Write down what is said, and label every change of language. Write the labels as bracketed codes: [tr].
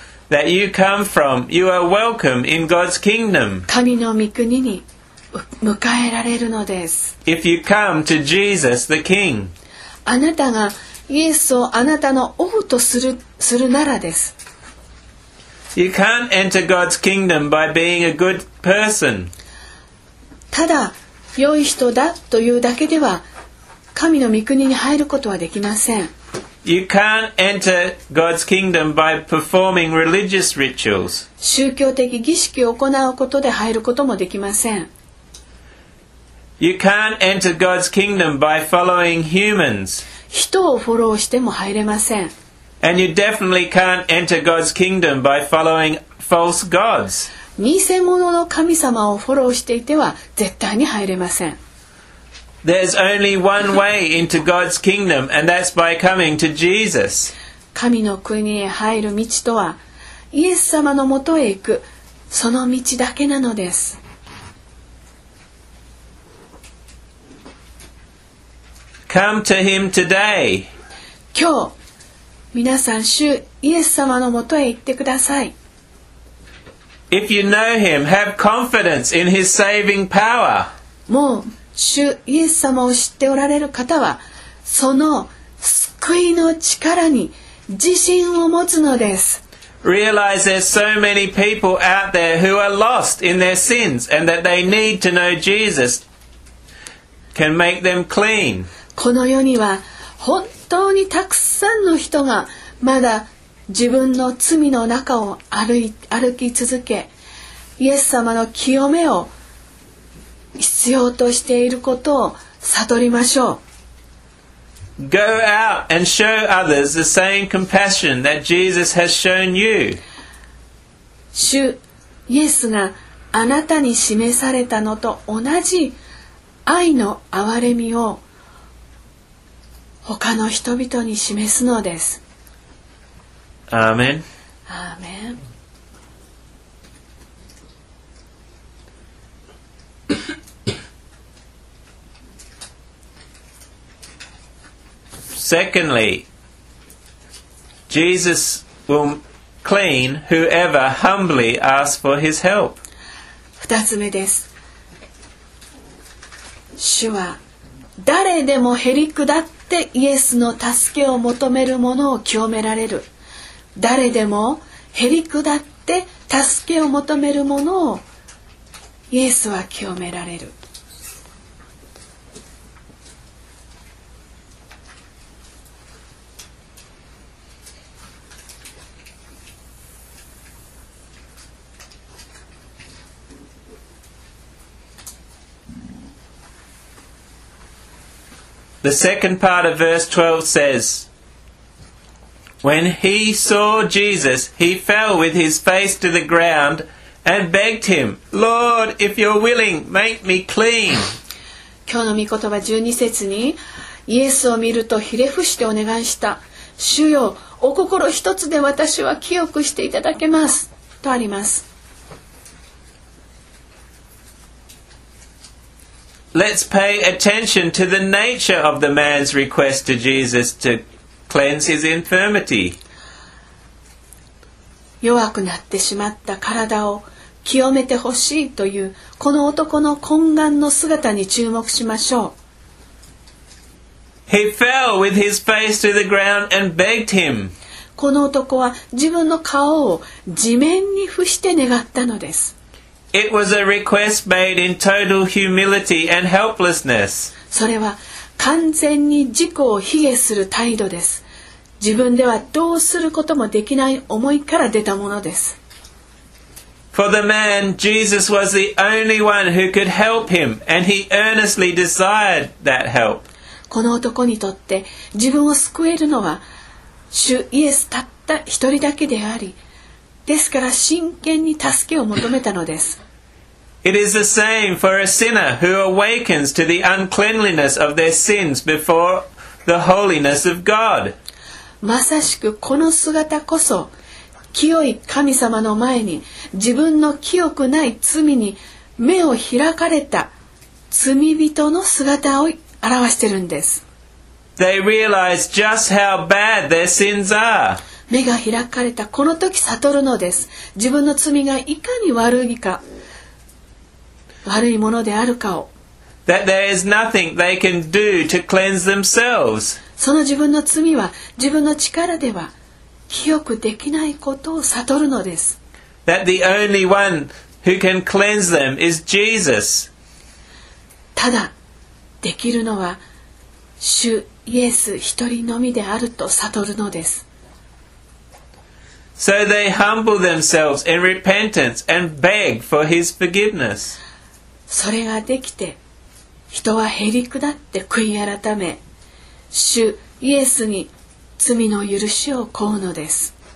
[en] That you come from, you are welcome in God's kingdom. [ja] 神の御国に迎えられるのです。 [en] If you come to Jesus, the King. [ja] あなたがイエスをあなたの王とする、するならです。 [en] You can't enter God's kingdom by being a good person. [ja] ただ、良い人だというだけでは、神の御国に入ることはできません。 [en] You can't enter God's kingdom by performing religious rituals. [ja] 宗教的儀式を行うことで入ることもできません。 [en] You can't enter God's kingdom by following humans. [ja] 人をフォローしても入れません。 [en] And you definitely can't enter God's kingdom by following false gods. [ja] 偽物の神様をフォローしていては絶対に入れません。 [en] There's only one way into God's kingdom, and that's by coming to Jesus. [ja] 神の国へ入る道とは、イエス様のもとへ行く、その道だけなのです。 [en] Come to him today. [ja] 今日、皆さん、主イエス様のもとへ行ってください。 [en] If you know him, have confidence in his saving power. [ja] もう、主イエス様を知っておられる方は、その救いの力に自信を持つのです。 [en] Realize there's so many people out there who are lost in their sins and that they need to know Jesus can make them clean. [ja] この世には本当にたくさんの人がまだ自分の罪の中を歩き続け、イエス様の清めを必要としていることを悟りましょう。 [en] Go out and show others the same compassion that Jesus has shown you. [ja] 主イエスがあなたに示されたのと同じ愛の憐れみを他の人々に示すのです。アーメン。アーメン。 [en] Secondly, Jesus will clean whoever humbly asks for his help. [ja] 二つ目です。主は誰でもへりくだってイエスの助けを求める者を清められる。誰でもへりくだって助けを求める者をイエスは清められる。 [en] The second part of verse 12 says, When he saw Jesus, he fell with his face to the ground and begged him, Lord, if you're willing, make me clean. [ja] 今日の御言葉十二節に、イエスを見るとひれ伏してお願いした。主よ、お心一つで私は清くしていただけます。とあります。 [en] Let's pay attention to the nature of the man's request to Jesus to cleanse his infirmity. [ja] 弱くなってしまった体を清めてほしいというこの男の懇願の姿に注目しましょう。 [en] He fell with his face to the ground and begged him. [ja] この男は自分の顔を地面に伏して願ったのです。 [en] It was a request made in total humility and helplessness. [ja] それは完全に自己を卑下する態度です。自分ではどうすることもできない思いから出たものです。 [en] For the man, Jesus was the only one who could help him, and he earnestly desired that help. [ja] この男にとって自分を救えるのは主イエスたった一人だけであり、ですから真剣に助けを求めたのです。 [en] It is the same for a sinner who awakens to the uncleanliness of their sins before the holiness of God. [ja] まさしくこの姿こそ、清い神様の前に自分の清くない罪に目を開かれた罪人の姿を表しているんです。 [en] they realize just how bad their sins are. [ja] 目が開かれたこの時悟るのです。自分の罪がいかに悪いか、悪いものであるかを。 [en] That there is nothing they can do to cleanse themselves. [ja] その自分の罪は自分の力では清くできないことを悟るのです。 [en] That the only one who can cleanse them is Jesus. [ja] ただできるのは主イエス一人のみであると悟るのです。 [en] So they humble themselves in repentance and beg for his forgiveness. [ja] それができて人はへりくだって悔い改め主イエスに罪の許しを請うのです。